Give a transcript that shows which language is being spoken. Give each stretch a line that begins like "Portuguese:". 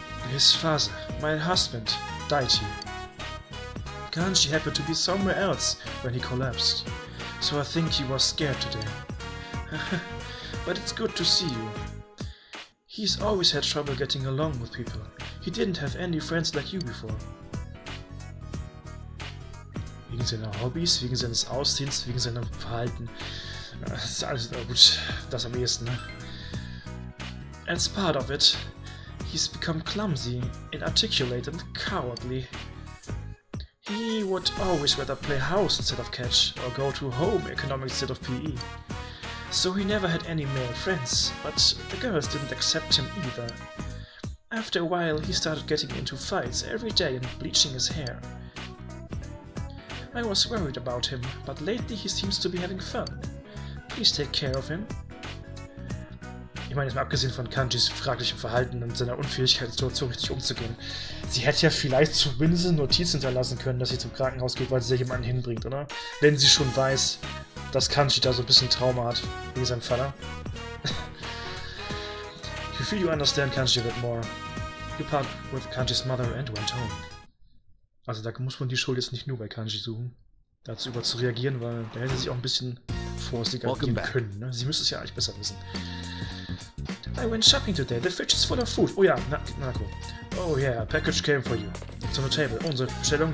English: His father, my husband, died here. Kanji happened to be somewhere else when he collapsed. So I think he was scared today. But it's good to see you. He's always had trouble getting along with people. He didn't have any friends like you before.
German: Wegen seiner Hobbys, wegen seines Aussehens, wegen seinem Verhalten. Das ist alles gut, das am ehesten.
English: As part of it, he's become clumsy, inarticulate and cowardly. He would always rather play house instead of catch, or go to home economics instead of PE. So he never had any male friends, but the girls didn't accept him either. After a while, he started getting into fights every day and bleaching his hair. I was worried about him, but lately he seems to be having fun. Please take care of him.
German: Ich meine, jetzt mal abgesehen von Kanjis fraglichem Verhalten und seiner Unfähigkeit, die Situation richtig umzugehen. Sie hätte ja vielleicht zumindest eine Notiz hinterlassen können, dass sie zum Krankenhaus geht, weil sie sich jemanden hinbringt, oder? Wenn sie schon weiß, dass Kanji da so ein bisschen Trauma hat, wegen seinem Vater.
English: You feel you understand Kanji a bit more. You parted with Kanjis mother and went home.
German: Also da muss man die Schuld jetzt nicht nur bei Kanji suchen, dazu über zu reagieren, weil da hätte sie auch ein bisschen vorsichtiger gehen können. Ne? Sie müsste es ja eigentlich besser wissen.
English: I went shopping today. The fridge is full of food.
German: Oh ja,
English: Nako. Oh yeah, package came for you. It's on the table.
German: Oh, unsere Bestellung?